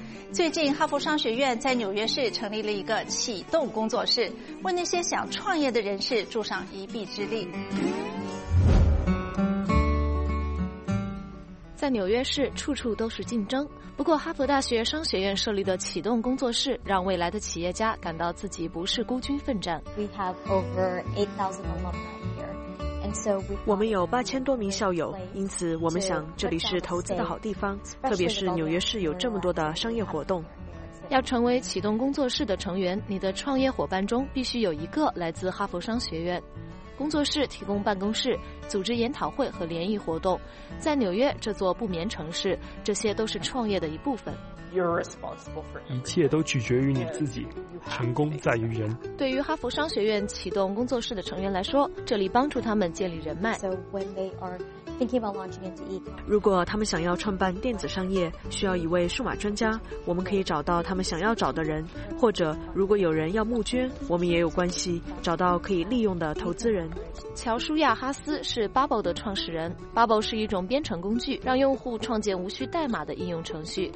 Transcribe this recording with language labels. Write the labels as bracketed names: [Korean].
[Chinese] 最近哈佛商学院在纽约市成立了一个启动工作室，为那些想创业的人士助上一臂之力。在纽约市处处都是竞争，不过哈佛大学商学院设立的启动工作室让未来的企业家感到自己不是孤军奋战。 [English] We have over 8,000 alumni here. [Chinese] 我们有8000多名校友，因此我们想这里是投资的好地方，特别是纽约市有这么多的商业活动。要成为启动工作室的成员，你的创业伙伴中必须有一个来自哈佛商学院。工作室提供办公室，组织研讨会和联谊活动。在纽约这座不眠城市，这些都是创业的一部分。 [English] you're responsible for. [Chinese] 一切都取决于你自己，成功在于人。对于哈佛商学院启动工作室的成员来说，这里帮助他们建立人脉。 [English] So when they are thinking about launching into e-commerce, [Chinese] 如果他们想要创办电子商业，需要一位数码专家，我们可以找到他们想要找的人，或者如果有人要募捐，我们也有关系，找到可以利用的投资人。乔舒亚哈斯是 Bubble 的创始人。Bubble 是一种编程工具，让用户创建无需代码的应用程序。